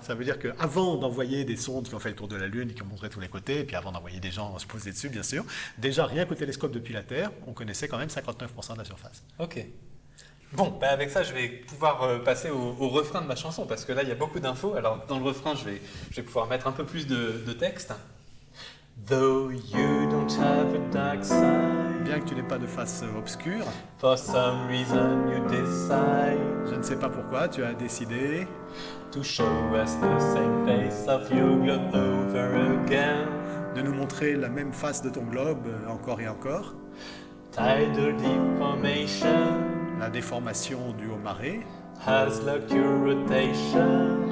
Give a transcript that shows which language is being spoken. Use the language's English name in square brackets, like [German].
[French] Ça veut dire qu'avant d'envoyer des sondes qui ont fait le tour de la Lune et qui ont montré tous les côtés, et puis avant d'envoyer des gens se poser dessus, bien sûr, déjà rien qu'au télescope depuis la Terre, on connaissait quand même 59% de la surface. Ok. Bon, bah avec ça, je vais pouvoir passer au refrain de ma chanson, parce que là, il y a beaucoup d'infos. Alors, dans le refrain, je vais pouvoir mettre un peu plus de texte. [English] Though you don't have a dark side, [French] bien que tu n'aies pas de face obscure, [English] for some reason you decide, [French] je ne sais pas pourquoi tu as décidé, [English] to show us the same face of your globe over again, [French] de nous montrer la même face de ton globe encore et encore. [English] Tidal deformation, [French] la déformation due aux marées, [English] has locked your rotation,